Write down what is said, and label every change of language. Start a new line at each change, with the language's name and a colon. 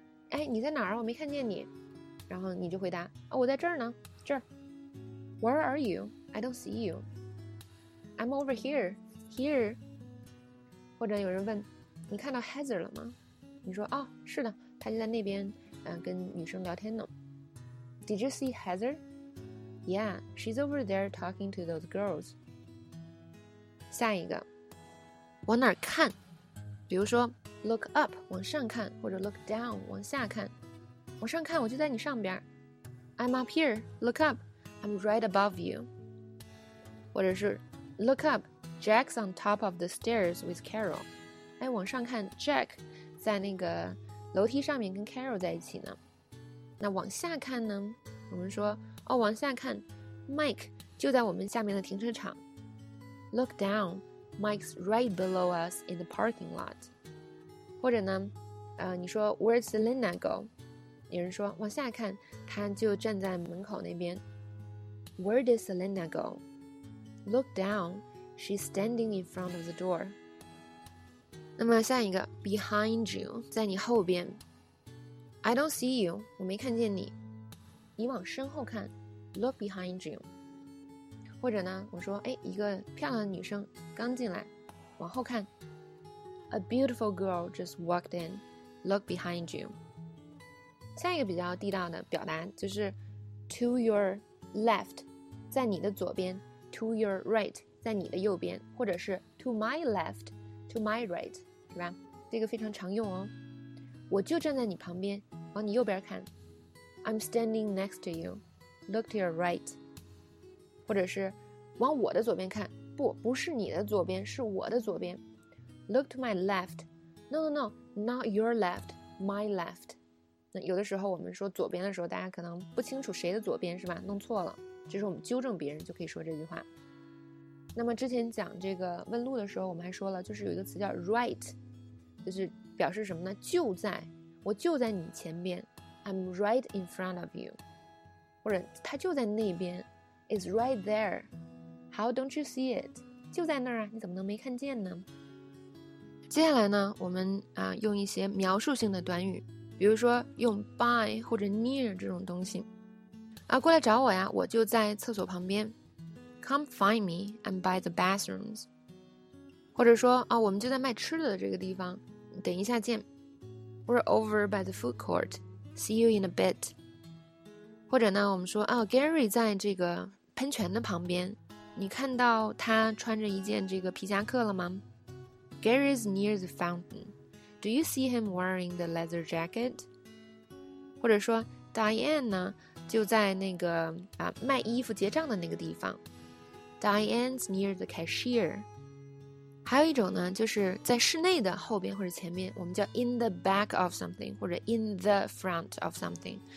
Chinese: 哎，你在哪儿？我没看见你。然后你就回答啊、哦，我在这儿呢，这儿。
English: Where are you? I don't see you. I'm over here, here。
Chinese: 或者有人问，你看到 Heather 了吗？你说啊、哦，是的，他就在那边。跟女生聊天呢。
English: Did you see Heather? Yeah, she's over there talking to those girls.
Chinese: 下一个，往哪儿看？比如说 ，
English: look up
Chinese: 往上看，或者
English: look down
Chinese: 往下看。往上看，我就在你上边。
English: I'm up here. Look up. I'm right above you.
Chinese: 或者是
English: ，look up. Jack's on top of the stairs with Carol.
Chinese: 哎，往上看 ，Jack 在那个。楼梯上面跟 Carol 在一起呢，那往下看呢，我们说哦，往下看 Mike 就在我们下面的停车场。
English: Look down, Mike's right below us in the parking lot.
Chinese: 或者呢你说
English: Where's Linda go?
Chinese: 有人说往下看，他就站在门口那边。
English: Where did Linda go? Look down, she's standing in front of the door.
Chinese: 那么下一个 ，
English: behind you，
Chinese: 在你后边。
English: I don't see you，
Chinese: 我没看见你。 你往身后看 ，
English: look behind you。
Chinese: 或者呢，我说，哎，一个漂亮的女生刚进来，往后看。
English: A beautiful girl just walked in， look behind you。
Chinese: 下一个比较地道的表达就是 ，
English: to your left，
Chinese: 在你的左边 ；
English: to your right，
Chinese: 在你的右边，或者是
English: to my left， to my right。
Chinese: 是吧，这个非常常用哦。我就站在你旁边，往你右边看。
English: I'm standing next to you. Look to your right.
Chinese: 或者是往我的左边看。不，不是你的左边，是我的左边。
English: Look to my left. No, no, no, not your left. My left.
Chinese: 那有的时候我们说左边的时候，大家可能不清楚谁的左边，是吧？弄错了。这时候我们纠正别人就可以说这句话。那么之前讲这个问路的时候，我们还说了，就是有一个词叫 right， 就是表示什么呢？就在，我就在你前边 ，
English: I'm right in front of you，
Chinese: 或者他就在那边 ，
English: It's right there。 How don't you see it？
Chinese: 就在那儿啊，你怎么能没看见呢？接下来呢，我们用一些描述性的短语，比如说用 by 或者 near 这种东西啊，过来找我呀，我就在厕所旁边。
English: Come find me, I'm by the bathrooms.
Chinese: 或者说啊，我们就在卖吃的这个地方，等一下见。
English: We're over by the food court. See you in a bit.
Chinese: 或者呢，我们说啊 ，Gary 在这个喷泉的旁边，你看到他穿着一件这个皮夹克了吗 ？
English: Gary's near the fountain. Do you see him wearing the leather jacket?
Chinese: 或者说 ，Diane 呢就在那个卖衣服结账的那个地方。
English: Diane's near the cashier.
Chinese: 还有一种呢，就是在室内的后边或者前面，我们叫
English: in the back of something
Chinese: 或者
English: in the front of something。